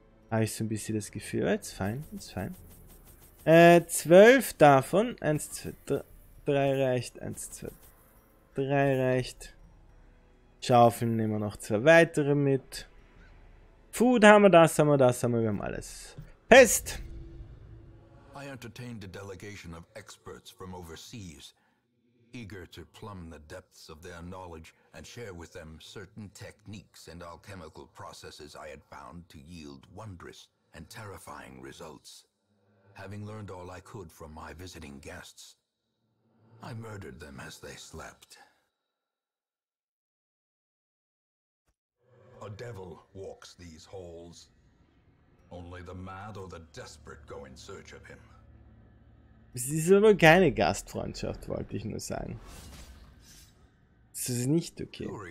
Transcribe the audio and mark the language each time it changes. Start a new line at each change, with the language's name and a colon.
German: Habe ich so ein bisschen das Gefühl. Aber ist fein, ist fein. 12 davon. 1, 2, 3 reicht. 1, 2, 3 reicht. Schaufeln nehmen wir noch 2 weitere mit. Food haben wir, das haben wir, das haben wir, wir haben alles. Pest!
English: I entertained a delegation of experts from overseas, eager to plumb the depths of their knowledge and share with them certain techniques and alchemical processes I had found to yield wondrous and terrifying results. Having learned all I could from my visiting guests, I murdered them as they slept. A devil walks these halls. Only the mad or the desperate go in search of him.
German: Es ist aber keine Gastfreundschaft, wollte ich nur sagen. Es ist nicht okay.